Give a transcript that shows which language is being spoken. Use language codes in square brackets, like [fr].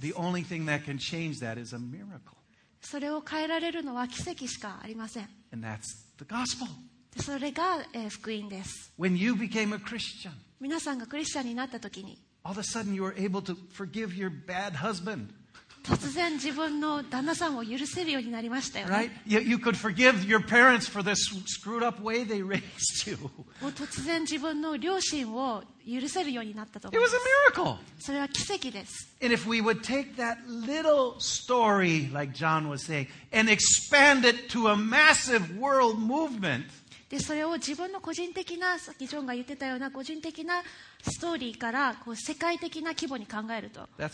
[en] The only thing that can change that is a miracle. [ja] それを変えられるのは奇跡しかありません。 [en] And that's the gospel. [ja] それが福音です。 [en] When you became a Christian. [ja] 皆さんがクリスチャンになったときに、 [en] All of a sudden, you are able to forgive your bad husband. [ja] 突然自分の旦那さんを許せるようになりましたよね。 [en] Right? You could forgive your parents for this screwed up way they raised you. [ja] もう突然自分の両親を許せるようになったと思います。 [en] It was a miracle. [ja] それは奇跡です。 [en] And if we would take that little story, like John was saying, and expand it to a massive world movement. [ja] でそれを自分の個人的な、さっきジョンが言ってたような個人的なストーリーからこう世界的な規模に考えると、